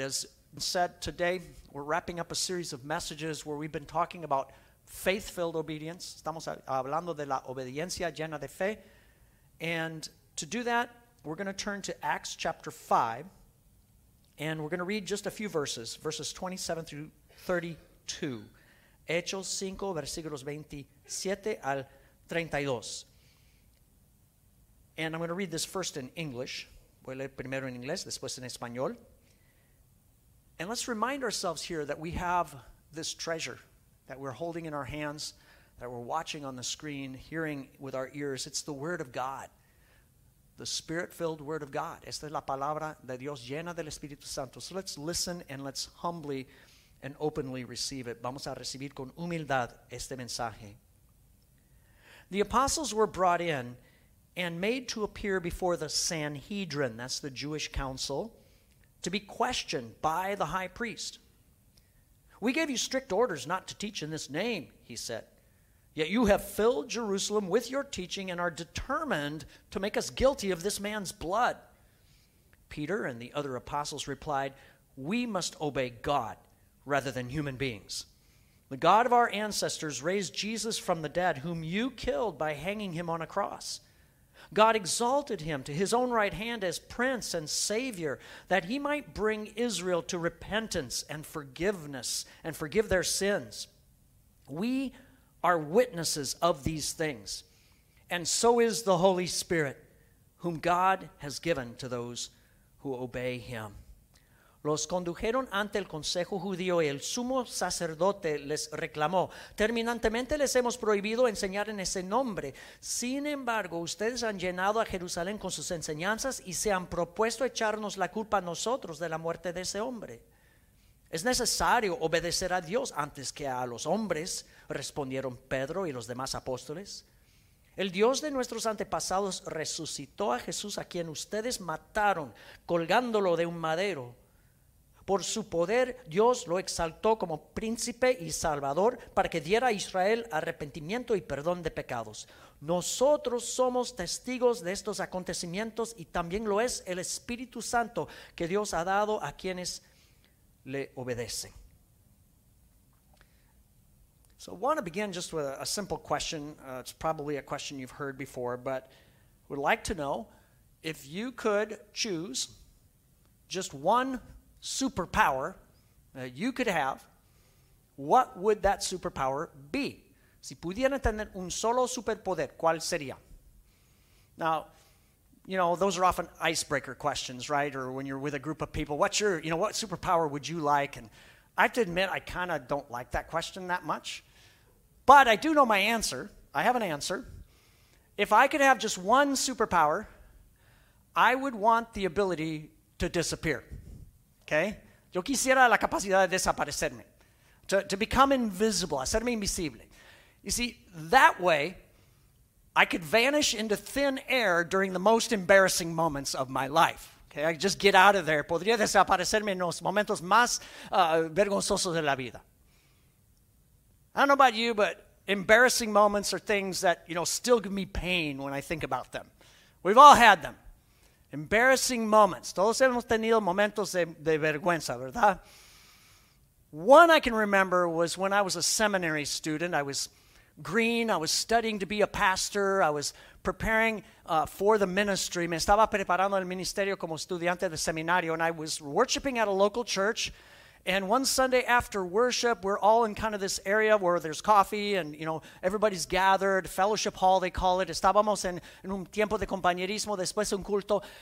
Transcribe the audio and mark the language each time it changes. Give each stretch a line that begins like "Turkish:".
English: As said, today we're wrapping up a series of messages where we've been talking about faith-filled obedience.
Spanish: Estamos hablando de la obediencia llena de fe.
English: And to do that, we're going to turn to Acts chapter 5, and we're going to read just a few verses, verses 27 through 32.
Spanish: Hechos 5, versículos 27 al 32.
English: And I'm going to read this first in English.
Spanish: Voy a leer primero en inglés, después en español.
English: And let's remind ourselves here that we have this treasure that we're holding in our hands, that we're watching on the screen, hearing with our ears. It's the Word of God, the Spirit-filled Word of God.
Spanish: Esta es la palabra de Dios llena del Espíritu Santo.
English: So let's listen and let's humbly and openly receive it.
Spanish: Vamos a recibir con humildad este mensaje.
English: The apostles were brought in and made to appear before the Sanhedrin, that's the Jewish council, to be questioned by the high priest. "We gave you strict orders not to teach in this name," he said. "Yet you have filled Jerusalem with your teaching and are determined to make us guilty of this man's blood." Peter and the other apostles replied, "We must obey God rather than human beings. The God of our ancestors raised Jesus from the dead, whom you killed by hanging him on a cross. God exalted him to his own right hand as prince and savior, that he might bring Israel to repentance and forgiveness and forgive their sins. We are witnesses of these things, and so is the Holy Spirit, whom God has given to those who obey him."
Spanish: Los condujeron ante el consejo judío y el sumo sacerdote les reclamó: "Terminantemente les hemos prohibido enseñar en ese nombre. Sin embargo, ustedes han llenado a Jerusalén con sus enseñanzas y se han propuesto echarnos la culpa a nosotros de la muerte de ese hombre. Es necesario obedecer a Dios antes que a los hombres", respondieron Pedro y los demás apóstoles. "El Dios de nuestros antepasados resucitó a Jesús, a quien ustedes mataron colgándolo de un madero. Por su poder, Dios lo exaltó como príncipe y salvador para que diera a Israel arrepentimiento y perdón de pecados. Nosotros somos testigos de estos acontecimientos y también lo es el Espíritu Santo que Dios ha dado a quienes le obedecen."
English: So I want to begin just with a simple question. It's probably a question you've heard before, but would like to know if you could choose just one superpower that you could have, what would that superpower be?
Spanish: Si pudiera tener un solo superpoder, ¿cuál sería?
English: Now, you know, those are often icebreaker questions, right? Or when you're with a group of people, what's your, you know, what superpower would you like? And I have to admit, I kind of don't like that question that much. But I do know my answer. I have an answer. If I could have just one superpower, I would want the ability to disappear. Okay?
Spanish: Yo quisiera la capacidad de desaparecerme,
English: to become invisible,
Spanish: hacerme invisible.
English: You see, that way, I could vanish into thin air during the most embarrassing moments of my life. Okay? I could just get out of there.
Spanish: Podría desaparecerme en los momentos más vergonzosos de la vida.
English: I don't know about you, but embarrassing moments are things that, you know, still give me pain when I think about them. We've all had them. Embarrassing moments.
Spanish: Todos hemos tenido momentos de vergüenza, ¿verdad?
English: One I can remember was when I was a seminary student. I was green. I was studying to be a pastor. I was preparing for the ministry.
Spanish: Me estaba preparando el ministerio como estudiante de seminario.
English: And I was worshiping at a local church. And one Sunday after worship, we're all in kind of this area where there's coffee and, you know, everybody's gathered, fellowship hall, they call it.
Spanish: Estábamos en un tiempo de compañerismo, después un culto.